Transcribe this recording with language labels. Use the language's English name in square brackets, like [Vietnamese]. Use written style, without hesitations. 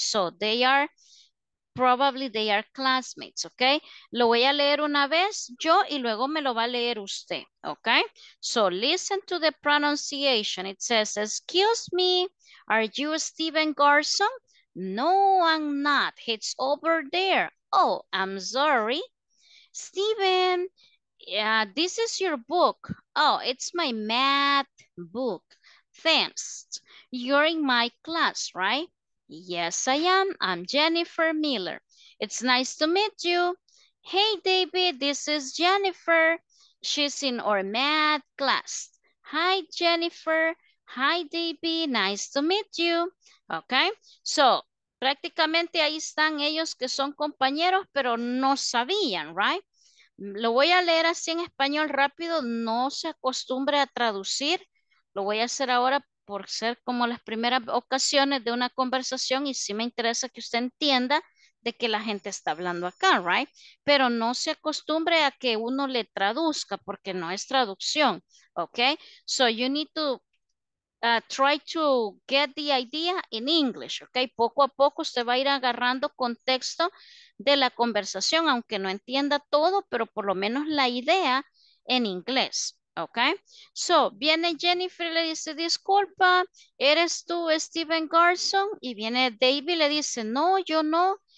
[English] So they are, probably they are classmates, okay? [Spanish] Lo voy a leer una vez yo y luego me lo va a leer usted, okay? [English] So listen to the pronunciation. It says, excuse me, are you Steven Garson? No, I'm not. It's over there. Oh, I'm sorry. Steven, this is your book. Oh, it's my math book. Thanks. You're in my class, right? Yes, I am. I'm Jennifer Miller. It's nice to meet you. Hey, David, this is Jennifer. She's in our math class. Hi, Jennifer. Hi, David. Nice to meet you. [Spanish] Okay, so prácticamente ahí están ellos que son compañeros, pero no sabían, right? Lo voy a leer así en español rápido, no se acostumbre a traducir. Lo voy a hacer ahora por ser como las primeras ocasiones de una conversación y sí me interesa que usted entienda de qué la gente está hablando acá, right? Pero no se acostumbre a que uno le traduzca porque no es traducción, okay? [English] So you need to try to get the idea in English, okay? [Spanish] Poco a poco usted va a ir agarrando contexto de la conversación, aunque no entienda todo, pero por lo menos la idea en inglés, okay? So, viene Jennifer y le dice, disculpa, ¿eres tú Steven Garson? Y viene David y le dice, no, yo no,